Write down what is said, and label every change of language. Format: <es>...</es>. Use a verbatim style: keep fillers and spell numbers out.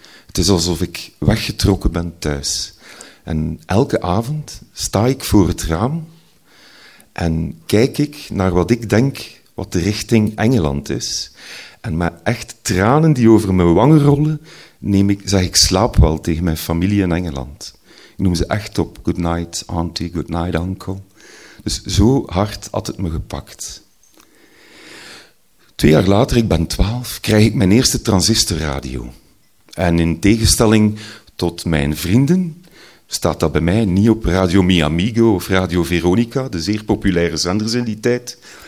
<nl>Het is alsof ik weggetrokken ben thuis. En elke avond sta ik voor het raam en kijk ik naar wat ik denk wat de richting Engeland is. En met echt tranen die over mijn wangen rollen, neem ik, zeg ik slaap wel tegen mijn familie in Engeland. Ik noem ze echt op.</nl> <en>Good night, auntie, good night, uncle.</en> <nl>Dus zo hard had het me gepakt. Twee jaar later, ik ben twaalf, krijg ik mijn eerste transistorradio. En in tegenstelling tot mijn vrienden staat dat bij mij niet op Radio Mi Amigo of Radio Veronica, de zeer populaire zenders in die tijd.</nl>